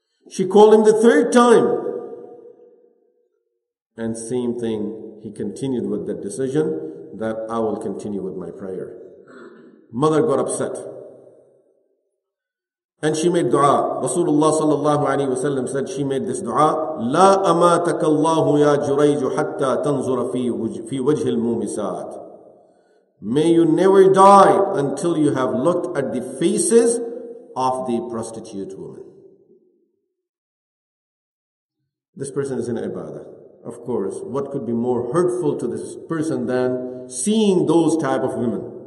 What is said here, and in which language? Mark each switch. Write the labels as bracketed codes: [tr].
[en] She called him the third time. And same thing, he continued with that decision that I will continue with my prayer. Mother got upset. And she made dua. Rasulullah [ar] sallallahu alayhi wa sallam [en] said she made this dua. [ar] لا أماتك الله يا جريج حتى تنظر في وجه المومسات. [en] May you never die until you have looked at the faces of the prostitute woman. This person is in ibadah. Of course, what could be more hurtful to this person than seeing those type of women?